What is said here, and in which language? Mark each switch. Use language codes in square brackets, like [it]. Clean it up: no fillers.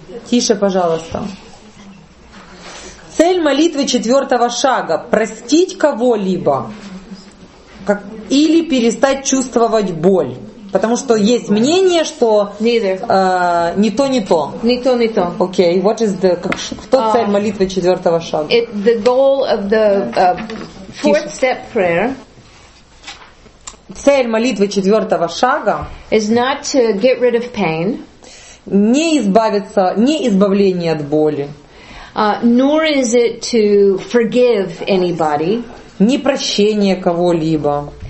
[ru] Тише, пожалуйста. Цель молитвы четвертого шага – простить кого-либо. Как, или перестать чувствовать боль. Потому что есть мнение, что не то. Ни то, ни то. Окей, [en] what is the [ru] кто цель молитвы четвертого шага? [en] It, the goal of the fourth step prayer. [ru] Цель молитвы четвертого шага [en] is not to get rid of pain. [ru] Не избавиться, не избавление от боли. [en] Nor is it to forgive anybody. [ru] Не прощение кого-либо.